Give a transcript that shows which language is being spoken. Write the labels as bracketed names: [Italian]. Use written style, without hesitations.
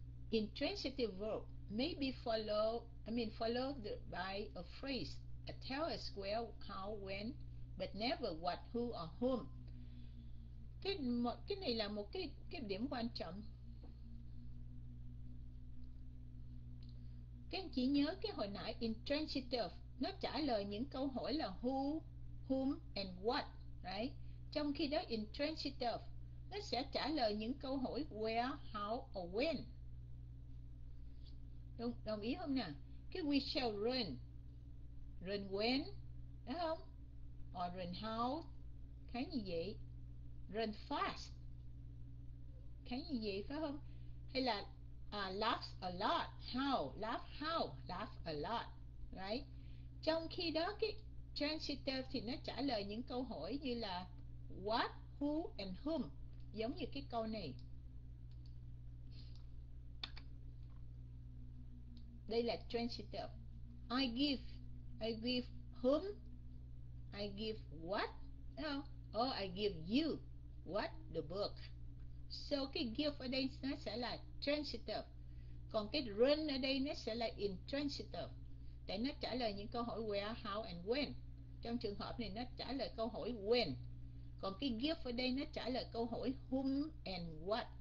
[English] Intransitive verb may be followed by a phrase, a tell us where, how, when, but never what, who or whom. [Vietnamese] Cái này là một cái điểm quan trọng. Các anh chị nhớ cái hồi nãy intransitive, nó trả lời những câu hỏi là [English] who, whom and what, right? [Vietnamese] Trong khi đó intransitive nó sẽ trả lời những câu hỏi [English] where, how or when. [Vietnamese] Đồng ý không nè? Cái [English] we shall run, run when, [Vietnamese] đúng không? [English] Or run how, [Vietnamese] khái như vậy. [English] Run fast, [Vietnamese] khái như vậy phải không? Hay là [English] laughs a lot, how, laugh how, laugh a lot, right? [Vietnamese] Trong khi đó cái transitive thì nó trả lời những câu hỏi như là [English] what, who and whom, [Vietnamese] giống như cái câu này. Đây là transitive. [English] I give whom, I give what, or I give you what, the book. [Vietnamese] So cái give ở đây nó sẽ là transitive, còn cái run ở đây nó sẽ là intransitive, để nó trả lời những câu hỏi [English] where, how and when. [Vietnamese] Trong trường hợp này nó trả lời câu hỏi when, còn cái give ở đây nó trả lời câu hỏi [English] whom and what.